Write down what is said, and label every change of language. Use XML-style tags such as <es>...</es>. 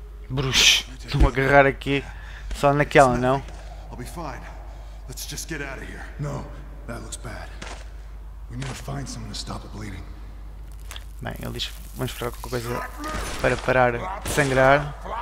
<pt>Bruxo, estou a agarrar aqui. Só naquela, não?</pt> <en>I'll be fine. Let's just get out of here. No, that looks bad. We need to find someone to stop the bleeding.</en> <pt>Bem, ele diz, vamos esperar alguma coisa para parar de sangrar.</pt>